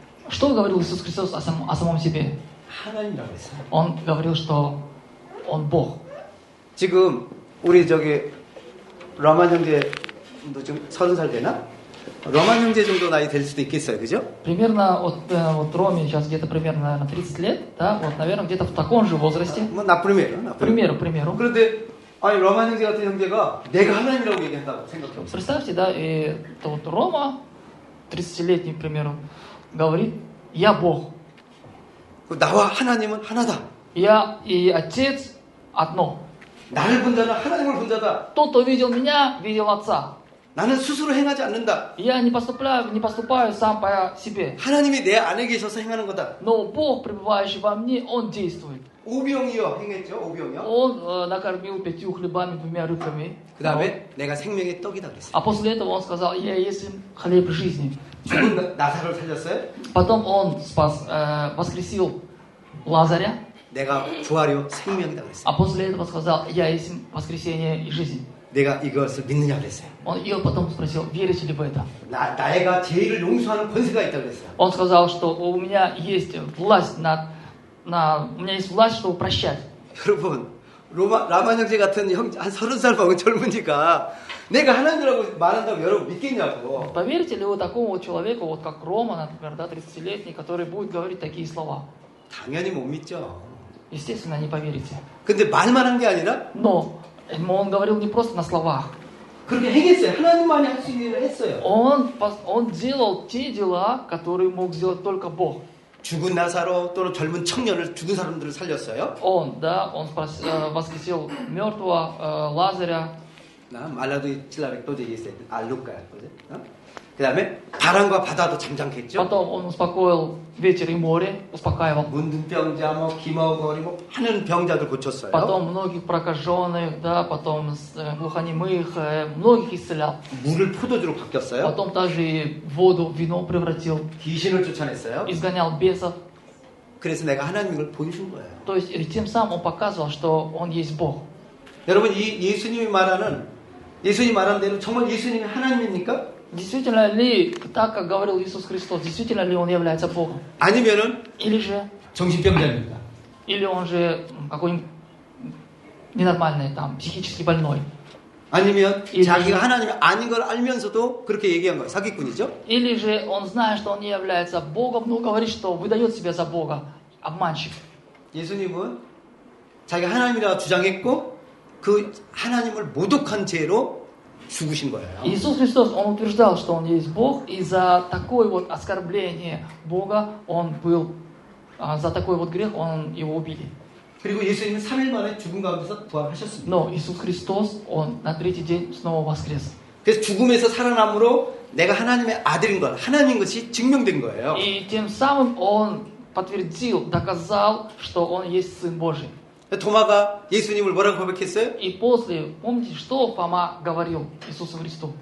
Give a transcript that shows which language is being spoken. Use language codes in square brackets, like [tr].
[ru] Что говорил Иисус Христос о самом себе? [ko] 하나님이라고 그랬어요. [ru] Он говорил, что он Бог. [ko] 지금 우리 저기 로만 형제도 지금 서른 살 되나? 로만 형제 정도 나이 될 수도 있겠어요, 그죠? [ru] Примерно вот Роме сейчас где-то примерно на 30 лет, да? Вот, наверное, где-то в таком же возрасте. 뭐, например, например. Пример, пример. [ko] 그런데 아니 로만 형제 같은 형제가 내가 하나님이라고 얘기한다고 생각해요. [ru] Представьте, да, и то вот Рома 30-летний, к примеру, говорит: "Я Бог". [ko] 나와 하나님은 하나다. [ru] Я и отец одно. [ko] 나를 본 자는 하나님을 본 자다. [ru] Тот, кто видел меня, видел отца. [ko] 나는 스스로 행하지 않는다. [ru] Я не поступаю сам по себе. [ko] 하나님이 내 안에 계셔서 행하는 거다. [ru] Но Бог, пребывающий во мне, он действует. [ko] 오병이어 행했죠, 오병이요. [ru] Он накормил пятью хлебами двумя рыбками. [ko] 그 다음에 내가 생명의 떡이다 그랬어요. [ru] А после этого он сказал: "Я есть хлеб жизни". [ko] 죽은 나사를 살렸어요? [ru] Потом он спас, воскресил Лазаря. [ko] 내가 부활이요 생명이다 그랬어요. [ru] А после этого сказал: "Я есть воскресение и жизнь". [ko] 내가 이것을 믿느냐 그랬어요. [ru] Он его потом спросил: "Веришь ли в это?" [ko] 나에게 죄를 용서하는 권세가 있다 그랬어요. [ru] Он сказал, что у меня есть власть над у меня есть власть, чтобы прощать. [ko] 여러분, 라만 형제 같은 형 한 서른 살 먹은 젊은이가 내가 하나님이라고 말한다고 여러분 믿겠냐고. [ru] Поверите ли вы такому вот человеку, вот как Рома, например, да, 30-летний, который будет говорить такие слова? [ko] 당연히 못 믿죠. [ru] Естественно, не поверите. [ko] 근데 말만 한 게 아니라? [ru] Но он говорил не просто на словах. [ko] 그렇게 행했어요. 하나님만이 할 수 있는 일을 했어요. [ru] Он делал те дела, которые мог сделать только Бог. [ko] 죽은 나사로 또는 젊은 청년을 죽은 사람들을 살렸어요? [ru] Он, да, он спас воскресил мёртвого Лазаря. [ko] 나 말라도이 칠라벡도제 이스에 알루카야, 그제? 그다음에 바람과 바다도 잠잠케 했죠. [ru] Потом он успокоил ветер и море, успокаивал. [ko] 문든 병자, 뭐 기마오거리, 뭐 하는 병자들 고쳤어요. [ru] Потом многих прокажённых, да, потом глухонемых, многих исцелял. [ko] 물을 포도주로 바뀌었어요. [ru] Потом даже воду в вино превратил. [ko] 귀신을 쫓아냈어요. [ru] Изгонял бесов. [ko] 그래서 내가 하나님을 보여준 거예요. [ru] То есть тем самым он показывал, что он есть Бог. [ko] 여러분, 이 예수님이 말하는 예수님 말한 대로 정말 예수님이 하나님입니까? [ru] Действительно ли, так как говорил Иисус Христос, действительно ли он является Богом? [ko] 아니면은, [ru] или же? [ko] 정신병자입니다. [ru] Или он же какой-нибудь ненормальный, там, психически больной. [ko] 아니면, 자기가 하나님 아닌 걸 알면서도 그렇게 얘기한 거예요. 사기꾼이죠? [ru] Или же он знает, что он не является Богом, но говорит, что выдает себя за Бога. Обманщик. [ko] 예수님은 자기가 하나님이라고 주장했고, 그 하나님을 모독한 죄로 죽으신 거예요. [ru] Иисус Христос, он утверждал, что он есть Бог, и за такое вот оскорбление Бога он был, за такой вот грех он его убили. [ko] 그리고 예수님은 3일 만에 죽은 가운데서 부활하셨습니다. [ru] Но Иисус Христос, он на третий день снова воскрес. [ko] 그래서 죽음에서 살아남으로 내가 하나님의 아들인 것, 하나님 것이 증명된 거예요. [ru] И тем самым он подтвердил, доказал, что он есть Сын Божий. [ko] 토마가 예수님을 뭐라고 고백했어요? [ru] И после, помните, что Фома говорил Иисусу Христу?